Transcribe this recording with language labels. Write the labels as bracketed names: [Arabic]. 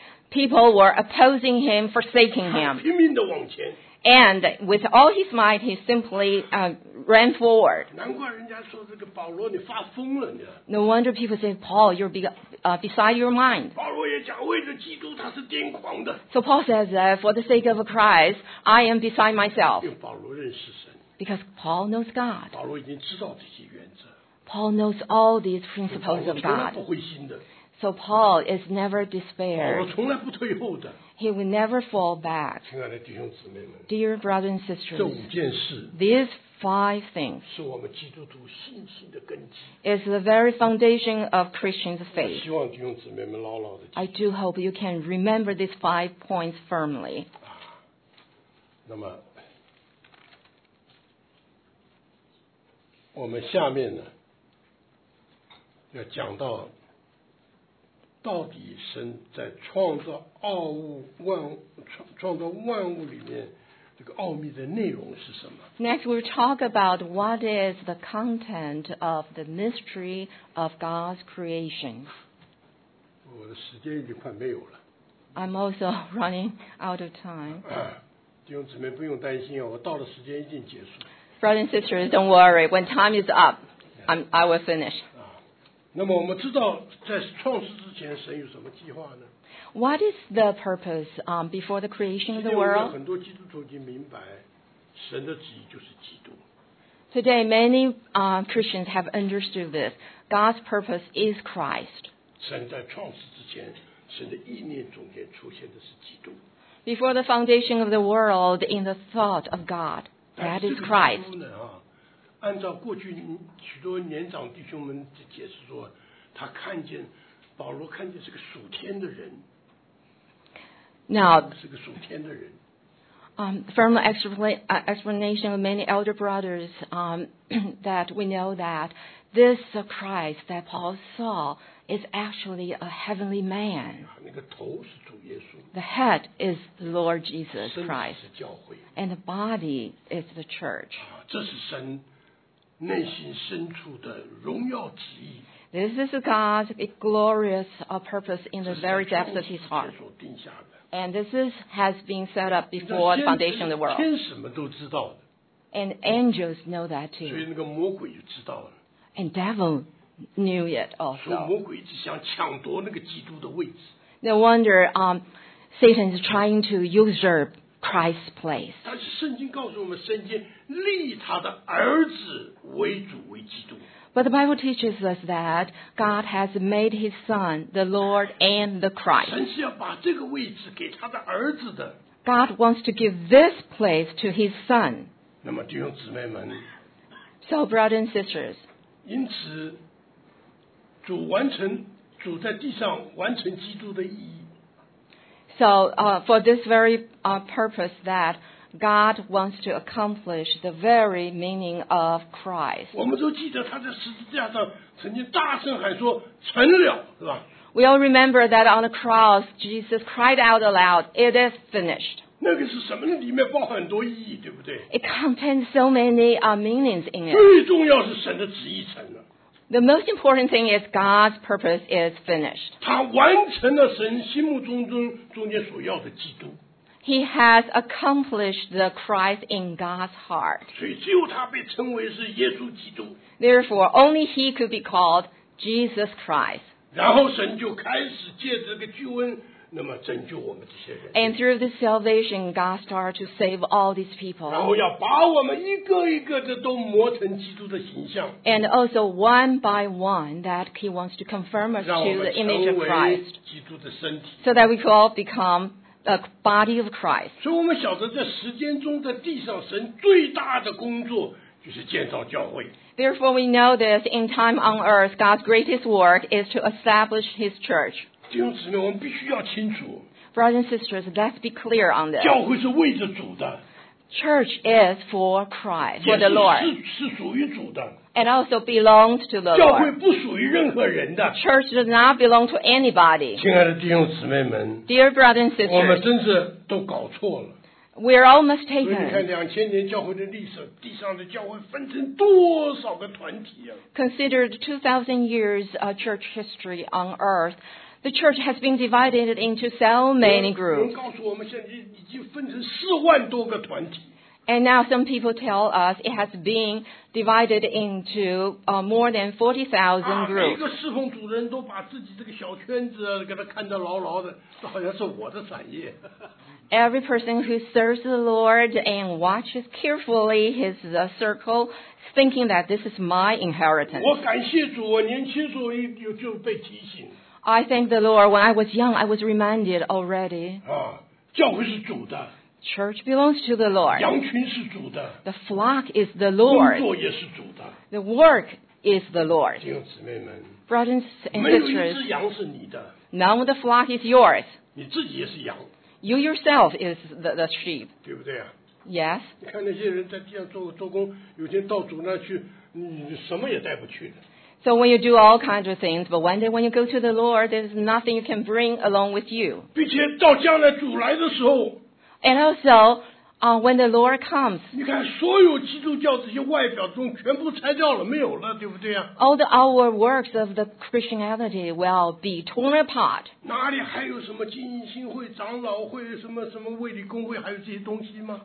[English] People were opposing him, forsaking him. And with all his might, he simply ran forward. [Chinese] 难怪人家说这个保罗你发疯了呢。 [English] No wonder people say, Paul, you're beside your mind. [Chinese] 保罗也讲为了基督他是癫狂的。 [English] So Paul says, for the sake of Christ, I am beside myself. [Chinese] 因为保罗认识神。 [English] Because Paul knows God. [Chinese] 保罗已经知道这些原则。 [English] Paul knows all these principles of God. [Chinese] 保罗从来不灰心的。 [English] So Paul is never despair. [Chinese] 保罗从来不退后的。 [English] He will never fall back. [Chinese] 亲爱的弟兄姊妹们。 [English] Dear brothers and sisters. [Chinese] 这五件事。 [English] These five things. [Chinese] 是我们基督徒信心的根基。 [English] Is the very foundation of Christian's faith. [Chinese] 希望弟兄姊妹们牢牢的记住。 [English] I do hope you can remember these five points firmly. [Chinese] 那么，我们下面呢，要讲到。到底神在创造奥物创造万物里面这个奥秘的内容是什么 [English] Next we'll talk about what is the content of the mystery of God's creation [Chinese] 我的时间已经快没有了 [English] I'm also running out of time [Chinese] 弟兄姊妹不用担心我到了时间已经结束 [English] Brothers and sisters don't worry when time is up I will finish [Chinese] 那么我们知道在创世之前神有什么计划呢 [English] What is the purpose before the creation of the world? [Chinese] 很多基督徒已经明白神的旨意就是基督 [English] Today many Christians have understood this God's purpose is Christ [Chinese] 神在创世之前神的意念中间出现的是基督 [English] Before the foundation of the world in the thought of God that is Christ [Chinese] 但是这个基督呢按照过去许多年长弟兄们的解释说，他看见保罗看见是个属天的人。 [English] Now [Chinese] 是个属天的人。 [English] From the explanation of many elder brothers, that we know that this Christ that Paul saw is actually a heavenly man. [Chinese] 那个头是主耶稣。 [English] The head is the Lord Jesus Christ. [Chinese] 身体是教会。 [English] And the body is the church. [Chinese] 这是神。内心深处的荣耀旨意。 [English] This is God's glorious purpose in the very depths of His heart. And this has been set up before the foundation of the world. [Chinese] 天什么都知道的。 [English] And angels know that too. [Chinese] 所以那个魔鬼就知道了。 [English] And devil knew it also. [Chinese] 所以魔鬼一直想抢夺那个基督的位置。 [English] No wonder, Satan is trying to usurp Christ's place. [Chinese] 但是圣经告诉我们，圣经立他的儿子。为主为基督 [English] But the Bible teaches us that God has made His Son the Lord and the Christ. [Chinese] 神是要把这个位置给他的儿子的。 [English] God wants to give this place to His Son. [Chinese] 那么弟兄姊妹们 [English] So brothers and sisters. [Chinese] 因此，主完成主在地上完成基督的意义。 [English] So for this very purpose that. God wants to accomplish the very meaning of Christ. [Chinese] 我们都记得他在十字架上曾经大声喊说成了是吧 [English] We all remember that on the cross, Jesus cried out aloud, it is finished. [Chinese] 那个是什么呢里面包含很多意义对不对 [English] It contains so many meanings in it. [Chinese] 最重要是神的旨意成了 [English] The most important thing is God's purpose is finished. [Chinese] 他完成了神心目中间所要的基督 [English] He has accomplished the Christ in God's heart. [Chinese] 所以只有他被称为是耶稣基督。 [English] Therefore, only he could be called Jesus Christ. [Chinese] 然后神就开始借这个救恩，那么拯救我们这些人。 [English] And through the salvation, God started to save all these people. [Chinese] 然后要把我们一个一个的都磨成基督的形象。 [English] And also one by one that he wants to confirm us to the image of Christ. [Chinese] 让我们成为基督的身体。 [English] So that we could all become A body of Christ. [Chinese] 所以我们晓得在时间中在地上神最大的工作就是建造教会。 [English] Therefore we know this in time on earth God's greatest work is to establish his church. [Chinese] 弟兄姊妹我们必须要清楚。 [English] Brothers and sisters let's be clear on this. [Chinese] 教会是为着主的。 [English] Church is for Christ, for the Lord. [Chinese] 是属于主的。 [English] And also belongs to the Lord. [Chinese] 教会不属于任何人的。 [English] Church does not belong to anybody. [Chinese] 亲爱的弟兄姊妹们 [English] Dear brothers and sisters. [Chinese] 我们真是都搞错了。 [English] We are all mistaken. [Chinese] 所以你看两千年教会的历史地上的教会分成多少个团体啊。 [English] Consider 2,000 years of church history on earth. The church has been divided into so many groups. [Chinese] 有人告诉我们现在已经分成四万多个团体。 [English] And now some people tell us it has been divided into more than 40,000 groups. [Chinese] 每个侍奉主人都把自己这个小圈子给他看得牢牢的，这好像是我的产业。 [English] Every person who serves the Lord and watches carefully his circle, thinking that this is my inheritance. [Chinese] 我感谢主，我年轻时候就被提醒。 [English] I thank the Lord. When I was young, I was reminded already. [Chinese] 啊，教会是主的。 [English] Church belongs to the Lord. [Chinese] 羊群是主的。 [English] The flock is the Lord. [Chinese] 工作也是主的。 [English] The work is the Lord. [Chinese] 弟兄姊妹们。 [English] Brothers and sisters. [Chinese] 没有一只羊是你的。 [English] None of the flock is yours. [Chinese] 你自己也是羊。 [English] You yourself is the sheep. [Chinese] 对不对啊？ [English] Yes. [Chinese] 你看那些人在地上做工，有天到主那去，你什么也带不去的。 [English] So when you do all kinds of things, but one day when you go to the Lord, there's nothing you can bring along with you. [Chinese] 并且到将来主来的时候。 [English] And also, when the Lord comes. [Chinese] 你看所有基督教这些外表中全部拆掉了，没有了，对不对啊？ [English] All the outward works of the Christianity will be torn apart. [Chinese] 哪里还有什么精英会、长老会、什么什么卫理公会，还有这些东西吗？